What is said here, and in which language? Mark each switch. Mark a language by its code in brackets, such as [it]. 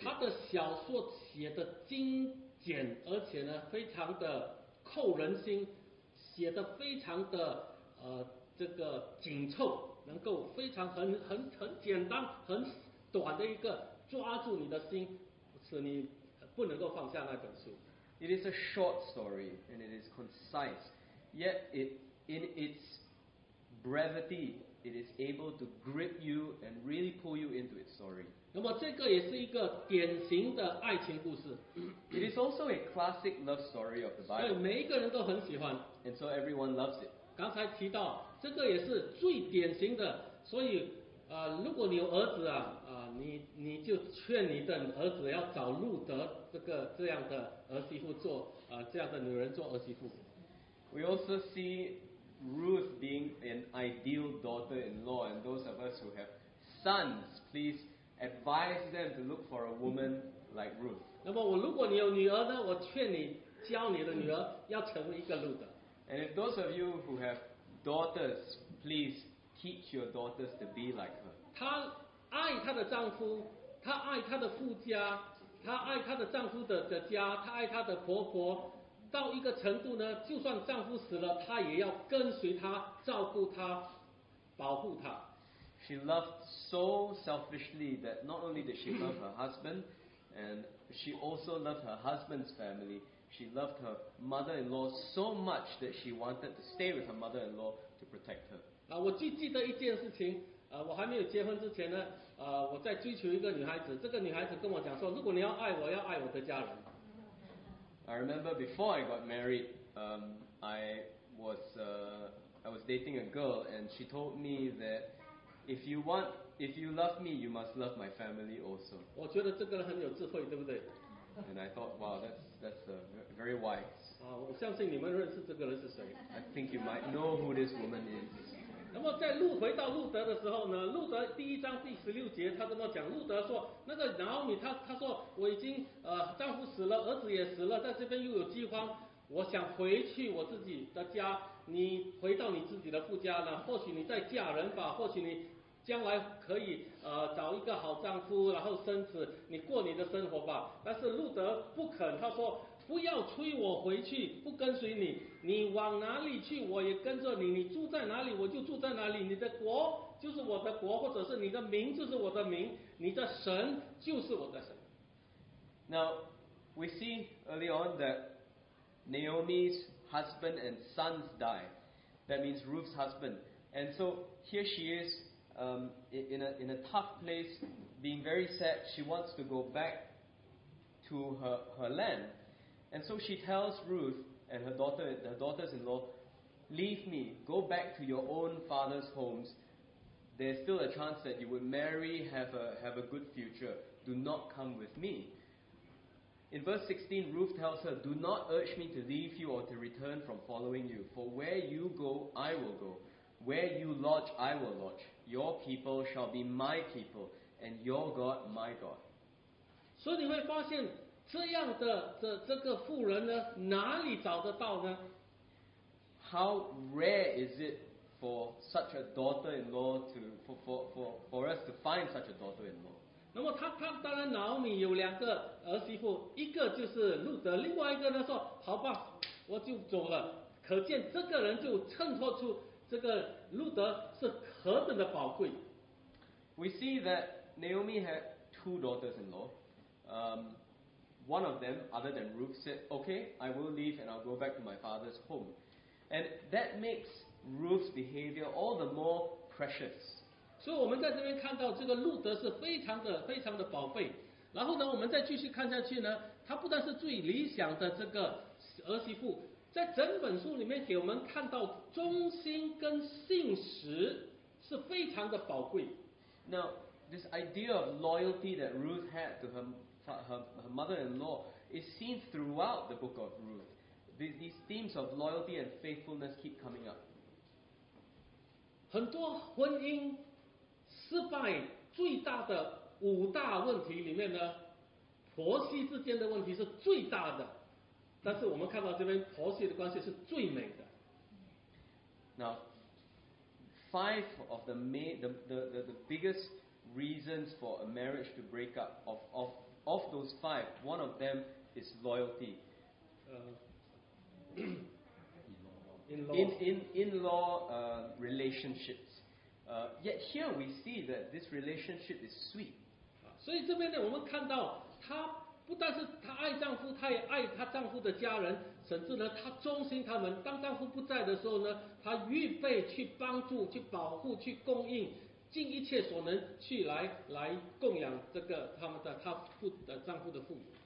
[zh] 他的小说写的精简，而且呢非常的扣人心，写的非常的这个紧凑，能够非常很简单、很短的一个抓住你的心，使你不能够放下那本书。 [en] It is a short story, and it is concise. Yet, in its brevity, it is able to grip you and really pull you into its story. [zh] 那么这个也是一个典型的爱情故事。 [en] It is also a classic love story of the Bible. [zh] 对，每一个人都很喜欢。 [en] And so everyone loves it. [zh] 刚才提到，这个也是最典型的。所以，如果你有儿子啊，你就劝你的儿子要找路德。这样的儿媳妇做这样的女人做儿媳妇。 [en] We also see Ruth being an ideal daughter-in-law, and those of us who have sons, please advise them to look for a woman like Ruth. [zh] 那么如果你有女儿呢，我劝你教你的女儿要成为一个路德。 [en] And if those of you who have daughters, please teach your daughters to be like her. [zh] 她爱她的丈夫，她爱她的夫家。她爱她的丈夫的家，她爱她的婆婆，到一个程度呢，就算丈夫死了，她也要跟随他，照顾他，保护她。 [en] She loved so selfishly that not only did she love her husband, and she also loved her husband's family. She loved her mother-in-law so much that she wanted to stay with her mother-in-law to protect her. [zh] 我记得一件事情。我还没有结婚之前呢，我在追求一个女孩子。这个女孩子跟我讲说，如果你要爱我，要爱我的家人。 [en] I remember before I got married, I was dating a girl, and she told me that if you love me, you must love my family also. [zh] 我觉得这个人很有智慧，对不对？ [en] And I thought, wow, that's very wise. [zh] 我相信你们认识这个人是谁。 [en] I think you might know who this woman is. [zh] 那么在路回到路德的时候呢，路德第一章第十六节他这么讲，路德说那个拿奥米他说我已经丈夫死了，儿子也死了，在这边又有饥荒，我想回去我自己的家，你回到你自己的父家呢，或许你再嫁人吧，或许你将来可以找一个好丈夫，然后生子，你过你的生活吧。但是路德不肯，他说不要催我回去，不跟随你，你往哪里去我也跟着你，你住在哪里我就住在哪里，你的国就是我的国，或者是你的名就是我的名，你的神就是我的神。 [en] Now we see early on that Naomi's husband and sons die, that means Ruth's husband, and so here she is in a tough place, being very sad. She wants to go back to her landAnd so she tells Ruth and her daughters-in-law, leave me, go back to your own father's homes. There's still a chance that you would marry, have a good future. Do not come with me. In verse 16, Ruth tells her, do not urge me to leave you or to return from following you. For where you go, I will go. Where you lodge, I will lodge. Your people shall be my people, and your God, my God. So you will find... [zh] 这样的这个妇人呢，哪里找得到呢？ [en] How rare is it for such a daughter-in-law to for us to find such a daughter-in-law? [zh] 那么他当然，拿奥米有两个儿媳妇，一个就是路德，另外一个呢说，好吧，我就走了。可见这个人就衬托出这个路德是何等的宝贵。 [en] We see that Naomi had two daughters-in-law. One of them, other than Ruth, said, okay, I will leave and I'll go back to my father's home. And that makes Ruth's behavior all the more precious. So we can see that Ruth is very precious. And then we can continue to look at it. It's not only the most ideal daughter. In the whole book, we can see that loyalty and faithfulness are very precious. Now, this idea of loyalty that Ruth had to her mother-in-law is seen throughout the book of Ruth. These themes of loyalty and faithfulness keep coming up. [zh] 很多婚姻失败最大的五大问题里面呢，婆媳之间的问题是最大的，但是我们看到这边婆媳的关系是最美的。 [en] Now, five of the biggest reasons for a marriage to break up of those five, one of them is loyalty. In-law relationships. Yet here we see that this relationship is sweet. [zh] 所以这边呢，我们看到她不但是她爱丈夫，她也爱她丈夫的家人，甚至呢，她忠心他们。当丈夫不在的时候呢，她预备去帮助、去保护、去供应。尽一切所能去来供养这个他们的他父的丈夫的父母。